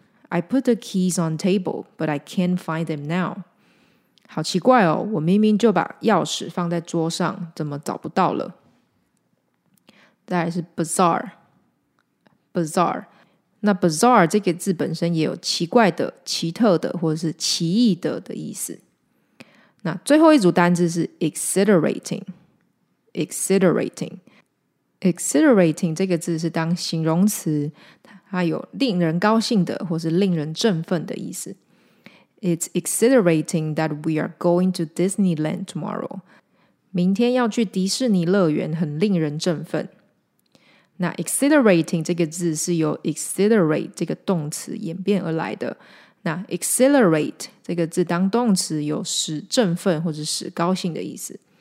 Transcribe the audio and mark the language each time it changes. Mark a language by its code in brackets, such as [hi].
[en] I put the keys on table, but I can't find them now. [zh] 好奇怪哦，我明明就把钥匙放在桌上，怎么找不到了？再来是 bizarre. Bizarre. 那 bizarre 这个字本身也有奇怪的、奇特的或者是奇异的的意思。那最后一组单字是 exhilarating. Exhilarating. Exhilarating 这个字是当形容词，它有令人高兴的或是令人振奋的意思。 [en] It's exhilarating that we are going to Disneyland tomorrow. [zh] 明天要去迪士尼乐园，很令人振奋。那 exhilarating 这个字是由 accelerate 这个动词演变而来的。那 accelerate 这个字当动词有使振奋或者使高兴的意思。